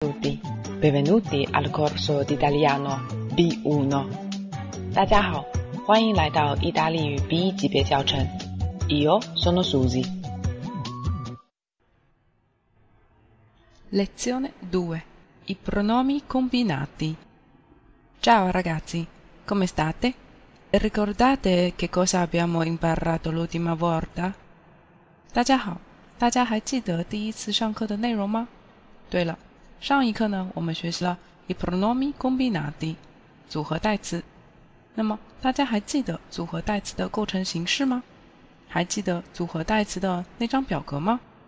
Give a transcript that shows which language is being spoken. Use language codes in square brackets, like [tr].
[it] Tutti, benvenuti al corso di italiano B1. [zh] 大家好，欢迎来到意大利语 B 级别教程。 [it] Io sono Susi. Lezione 2. I pronomi combinati. Ciao ragazzi, come state? Ricordate che cosa abbiamo imparato l'ultima volta? [zh] 大家好，大家还记得第一次上课的内容吗？对了。上一课呢，我们学习了 i pronomi combinati 组合代词。那么大家还记得组合代词的构成形式吗？还记得组合代词的那张表格吗？